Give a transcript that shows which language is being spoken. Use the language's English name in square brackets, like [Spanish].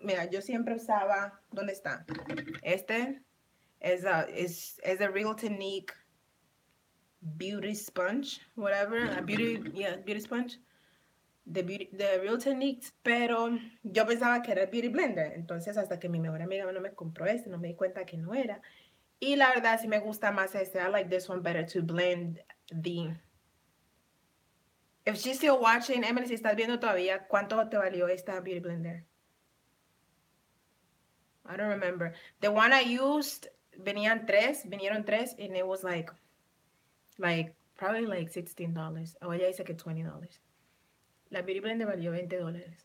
[Spanish] Mira, yo siempre usaba... ¿Dónde está? Este [English] is a Real Technique beauty sponge. Whatever. [Spanish] Beauty sponge. The Real Techniques, pero yo pensaba que era el beauty blender. Entonces, hasta que mi mejor amiga no me compró este, no me di cuenta que no era. Y la verdad, sí me gusta más este. [English] I like this one better to blend the... If she's still watching, [Spanish] Emily, si estás viendo todavía, ¿cuánto te valió esta beauty blender? [English] I don't remember. The one I used, [Spanish] vinieron tres, [English] and it was like probably like $16. [Spanish] O ella dice que $20. La beauty blender valió $20.